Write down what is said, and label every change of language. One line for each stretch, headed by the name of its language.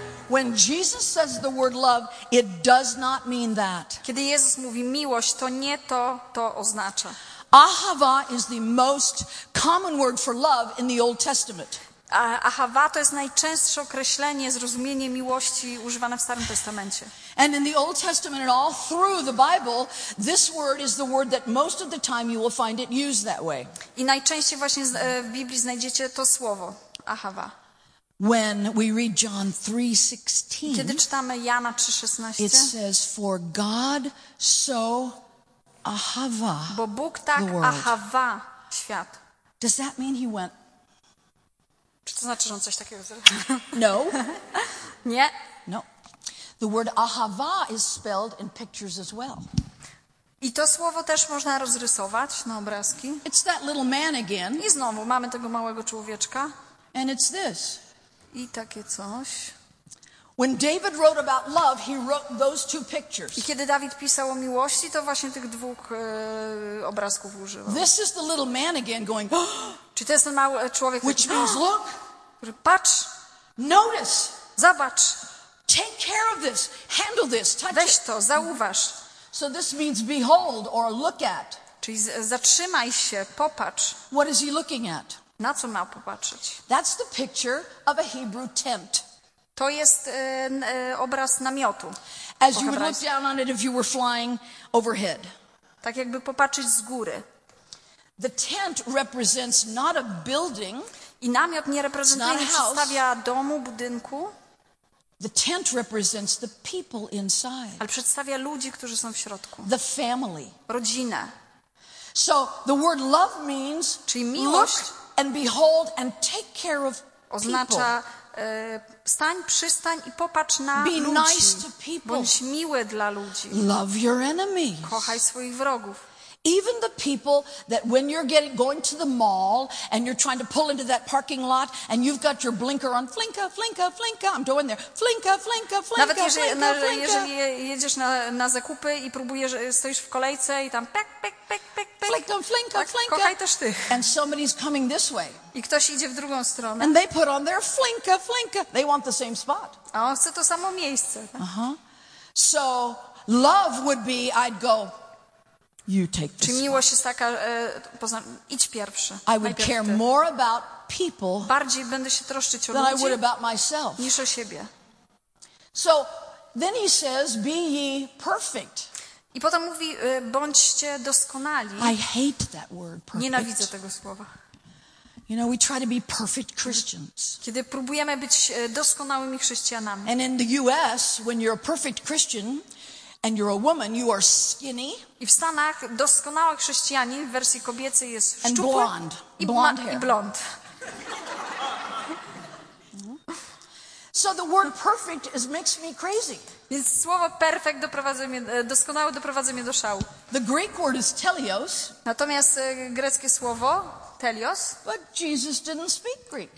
English: When Jesus says the word love, it does not mean that.
Polish: Kiedy Jezus mówi miłość, to nie to oznacza.
English: Ahava is the most common word for love in the Old Testament.
Polish: Ahava to jest najczęstsze określenie, zrozumienie miłości używane w Starym Testamencie.
English: And in the Old Testament and all through the Bible, this word is the word that most of the time you will find it used that way.
Polish: I najczęściej właśnie w Biblii znajdziecie to słowo, ahava.
English: When we read John 3:16,
Polish: kiedy czytamy Jana 3:16,
English: it says, "For God so ahava."
Polish: Bo Bóg tak ahava świat.
English: Does that mean he went?
Polish: Czy to znaczy, że on coś takiego zrobił?
English: No.
Polish: Nie.
English: No. The word ahava is spelled in pictures as well.
Polish: I to słowo też można rozrysować na obrazki.
English: It's that little man again.
Polish: I znowu mamy tego małego człowieczka.
English: And it's this.
Polish: I takie coś.
English: When David wrote about love, he wrote those two pictures.
Polish: I kiedy Dawid pisał o miłości, to właśnie tych dwóch obrazków użył.
English: This is the little man again going.
Polish: Czy to jest ten mały człowiek?
English: Which means look.
Polish: Patrz.
English: Notice.
Polish: Zobacz.
English: Take care of this, handle this, touch it.
Polish: Weź to, zauważ.
English: So this means behold or look at.
Polish: Czyli zatrzymaj się, popatrz.
English: What is he looking at?
Polish: Na co ma popatrzeć?
English: That's the picture of a Hebrew tent.
Polish: To jest obraz namiotu.
English: As you would look down on it if you were flying overhead.
Polish: Tak jakby popatrzeć z góry.
English: The tent represents not a building.
Polish: I namiot nie reprezentuje, nie przedstawia domu, budynku.
English: The tent represents the people inside.
Polish: Ale przedstawia ludzi, którzy są w środku.
English: The family.
Polish: Rodzina.
English: So the word love means
Polish: miłość,
English: look and behold and take care of people.
Polish: Oznacza stań, przystań i popatrz na
English: be
Polish: ludzi.
English: Nice to people.
Polish: Bądź miły dla ludzi.
English: Love your enemies.
Polish: Kochaj swoich wrogów.
English: Even the people that when you're getting going to the mall and you're trying to pull into that parking lot and you've got your blinker on, flinka, flinka, flinka, I'm going there, flinka, flinka, flinka,
Polish: nawet jeżeli, flinka, flinka. Nawet jeżeli jedziesz na zakupy i próbujesz, stoisz w kolejce i tam pek, pek, pek, pek, pek. Flinka, flinka, tak, flinka. Kochaj też tych.
English: And somebody's coming this way.
Polish: I ktoś idzie w drugą stronę.
English: And they put on their flinka, flinka. They want the same spot.
Polish: A on chce to samo miejsce.
English: So love would be, I'd go... You take
Polish: czy miłość jest taka, idź pierwszy.
English: I would care more about people
Polish: bardziej będę się troszczyć o
English: than
Polish: ludzi
English: I would about myself.
Polish: Niż o siebie.
English: So, then he says, be ye perfect.
Polish: I potem mówi, bądźcie doskonali.
English: I hate that word, perfect.
Polish: Nienawidzę tego słowa.
English: You know, we try to be perfect Christians.
Polish: Kiedy próbujemy być doskonałymi chrześcijanami.
English: And in the US, when you're a perfect Christian, and you're a woman, you are skinny.
Polish: I w Stanach doskonały chrześcijanin w wersji kobiecej jest szczupły
English: and blonde,
Polish: blond.
English: So the word perfect is makes me crazy.
Polish: Więc słowo perfect doskonały doprowadza mnie do szału.
English: The Greek word is telios.
Polish: Natomiast greckie słowo telios.
English: But Jesus didn't speak Greek.